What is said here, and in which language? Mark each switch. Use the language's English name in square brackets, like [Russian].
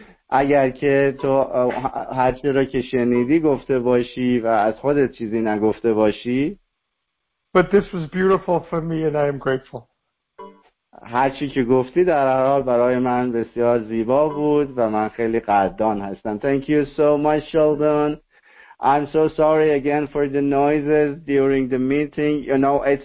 [Persian] اگر که تو هر چی را که شنیدی گفته باشی و از خودت چیزی نگفته باشی [English] But this was beautiful for me and I am grateful. [Persian] هر چی که گفتی در هر حال برای من بسیار زیبا بود و من خیلی قدردان هستم. [English] Thank you so much Sheldon. I'm so sorry again for the noises during the meeting. You know it's